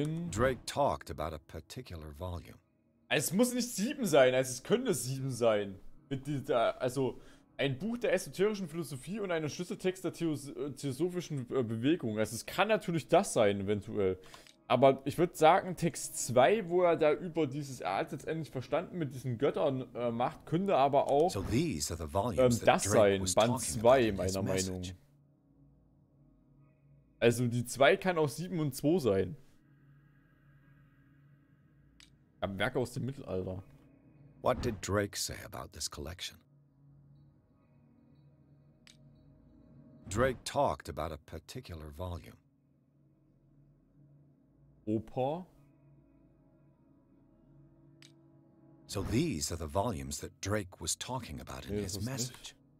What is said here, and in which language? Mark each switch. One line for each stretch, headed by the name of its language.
English: Drake talked about a particular volume.
German: Es muss nicht 7 sein, also es könnte 7 sein. Also ein Buch der esoterischen Philosophie und einen Schlüsseltext der theosophischen Bewegung. Also es kann natürlich das sein, eventuell. Aber ich würde sagen, Text 2, wo er da über dieses, er hat jetzt endlich verstanden mit diesen Göttern macht, könnte aber auch das sein, Band 2, meiner Meinung. Also die 2 kann auch 7 und 2 sein. Werke aus dem Mittelalter.
English: What did Drake say about this collection? Drake talked about a particular volume.
German: Opa?
English: So these are the volumes that Drake was talking about in his message.
German: Nicht.